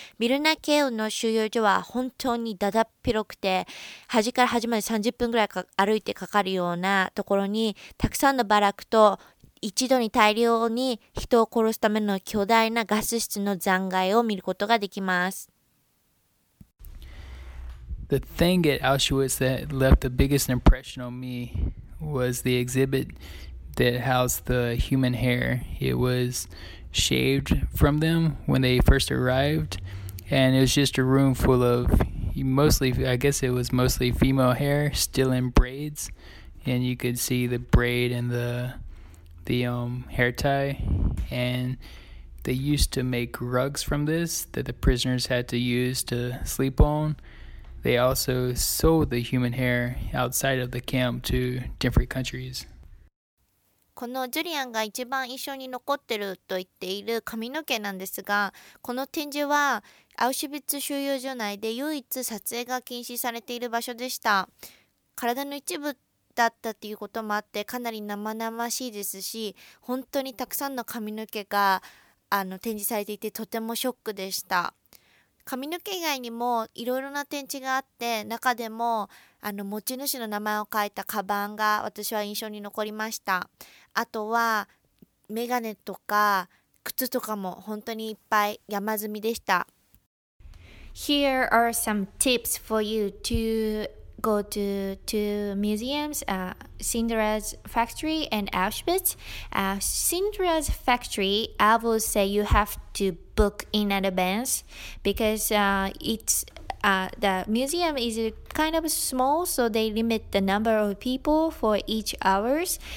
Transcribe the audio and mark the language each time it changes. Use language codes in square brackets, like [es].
[ja] ビルナ刑務の収容所は本当にだだっ広くて、端から端まで30分ぐらいか歩いてかかるようなところに、たくさんのバラクと一度に大量に人を殺すための巨大なガス室の残骸を見ることができます。 [en] The thing at Auschwitz that left the biggest impression on me was the exhibit that housed the human hair. It was shaved from them when they first arrived, and it was just a room full of mostly female hair still in braids, and you could see the braid and the hair tie, and they used to make rugs from this that the prisoners had to use to sleep on. They also sold the human hair outside of the camp to different countries. [ja] このジュリアンが一番印象に残ってると言っている髪の毛なんですが、この展示はアウシュビッツ収容所内で唯一撮影が禁止されている場所でした。体の一部だったということもあって、かなり生々しいですし、本当にたくさんの髪の毛が展示されていて、とてもショックでした。髪の毛以外にもいろいろな展示があって、中でも持ち主の名前を書いたカバンが私は印象に残りました。あとはメガネとか靴とかも本当にいっぱい山積みでした。 [en] Here are some tips for you to go to museums, Cinderella's factory and Auschwitz. Cinderella's factory, I will say you have to book in advance because the museum is kind of small, so they limit the number of people for each hours.